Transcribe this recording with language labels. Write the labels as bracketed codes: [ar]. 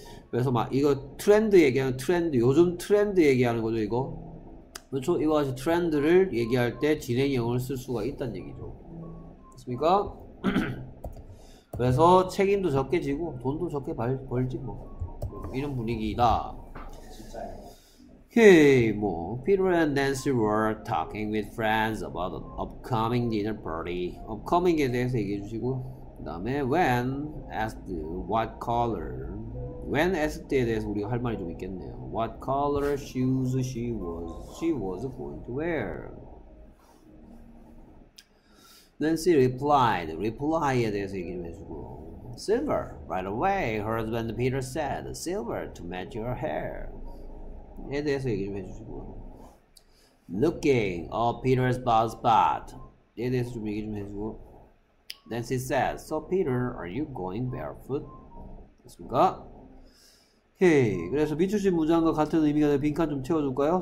[ko] 그래서 막 이거 트렌드 얘기하는 트렌드 요즘 트렌드 얘기하는 거죠 이거 그렇죠? 이거 같이 트렌드를 얘기할 때 진행형을 쓸 수가 있다는 얘기죠. 됐습니까? 그래서 책임도 적게 지고 돈도 적게 벌지 뭐 이런 분위기이다. 진짜요? [en] Okay, 뭐 Peter and Nancy were talking with friends about an upcoming dinner party. [ko] Upcoming에 대해서 얘기해 주시고 그 다음에 [en] when asked what color when asked [ko] 에 대해서 우리가 할 말이 좀 있겠네요. [en] What color shoes she was going to wear. Nancy replied. [ko] Reply에 대해서 얘기 좀 해주고. [en] Silver, right away, her husband Peter said. Silver to match your hair. [ko] 에 대해서 얘기 좀 해주시고. [en] Looking, oh, Peter's bald spot. [ko] 에 대해서 좀 얘기 좀 해주고. [en] Nancy said, so Peter, are you going barefoot? [ko] 됐습니까? 오케이, 그래서 비추신 문장과 같은 의미가 될 빈칸 좀 채워줄까요?